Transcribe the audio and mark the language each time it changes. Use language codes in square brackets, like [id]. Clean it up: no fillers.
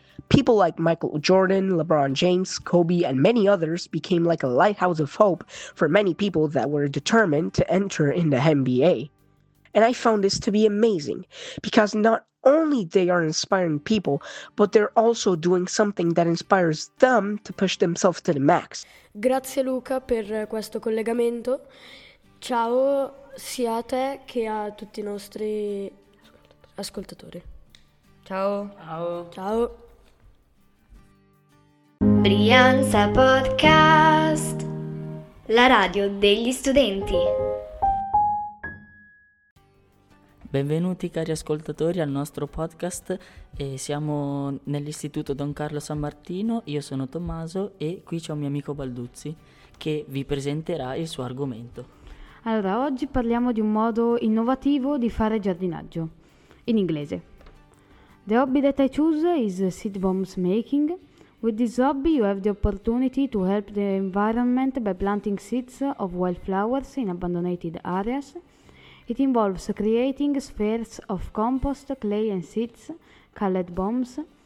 [en] People like Michael Jordan, LeBron James, Kobe, and many others became like a lighthouse of hope for many people that were determined to enter in the NBA. And I found this to be amazing, because not only they are inspiring people, but they're also doing something that inspires them to push themselves to the max. [it] Grazie Luca per questo collegamento. Ciao sia a te che a tutti i nostri ascoltatori. Ciao. Ciao. Ciao. Brianza Podcast, la radio degli studenti. Benvenuti cari ascoltatori al nostro podcast, siamo nell'istituto Don Carlo San Martino, io sono Tommaso e qui c'è un mio amico Balduzzi che vi presenterà il suo argomento. Allora, oggi parliamo di un modo innovativo di fare giardinaggio, in inglese. [en] The hobby that I choose is seed bombs making. With this hobby you have the opportunity to help the environment by planting seeds of wildflowers in abandoned areas. It involves creating spheres of compost, clay and seeds, colored bombs.